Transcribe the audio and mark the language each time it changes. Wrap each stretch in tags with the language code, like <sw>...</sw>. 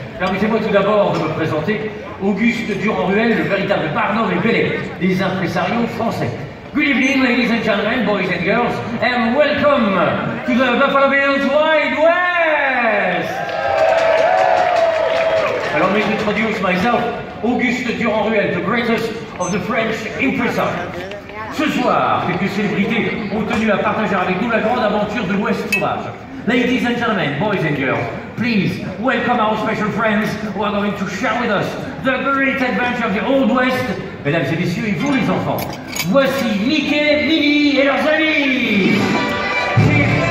<fr>Permettez-moi tout d'abord de me présenter Auguste Durand-Ruel, le véritable Barnum et Bailey des impresarios français.</fr> <en>Good evening, ladies and gentlemen, boys and girls, and welcome to the Buffalo Bills Wild West. Allow me to introduce myself, Auguste Durand-Ruel, the greatest of the French impresarios.</en> <fr>Ce soir, quelques célébrités ont tenu à partager avec nous la grande aventure de l'Ouest sauvage.</fr> <en>Ladies and gentlemen, boys and girls, please welcome our special friends who are going to share with us the great adventure of the Old West.</en> <fr>Mesdames et messieurs, et vous les enfants, voici Mickey, Minnie et leurs amis.</fr>